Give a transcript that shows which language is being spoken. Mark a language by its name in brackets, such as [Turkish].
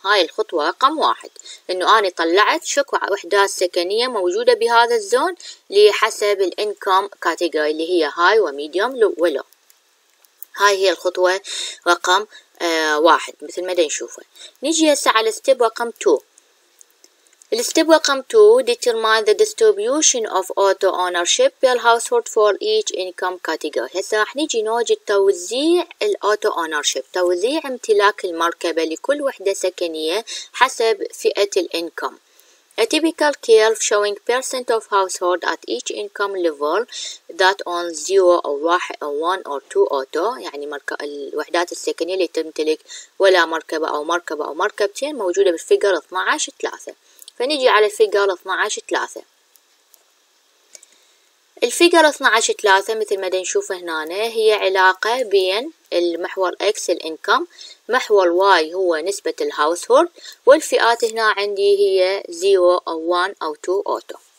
[Arabic] هاي الخطوة رقم واحد إنه أنا طلعت شكو وحدات سكنية موجودة بهذا الزون لحسب الإنكم كاتيجوري اللي هي هاي وميديوم ولو. هاي هي الخطوة رقم واحد مثل ما دا نشوفه. نجي هسه على ستيب رقم 2. الستيب رقم [English] 2 determine the distribution of auto ownership per household for each income category. [Arabic] هسه راح نجي نوجد توزيع الاوتو اونرشيب، توزيع امتلاك المركبة لكل وحدة سكنية حسب فئة الانكم. [English] A typical curve showing percent of household at each income level that own 0 or 1 or 2 auto، [Arabic] يعني الوحدات السكنية اللي تمتلك ولا مركبة او مركبة او مركبتين موجودة بالفيجر 12-3. فنجي على الفيجر 12-3. الفيجر 12-3 مثل ما نشوف هنا هي علاقة بين المحور X الانكم، محور Y هو نسبة الهاوسهولد، والفئات هنا عندي هي 0 أو 1 أو 2 أوتو.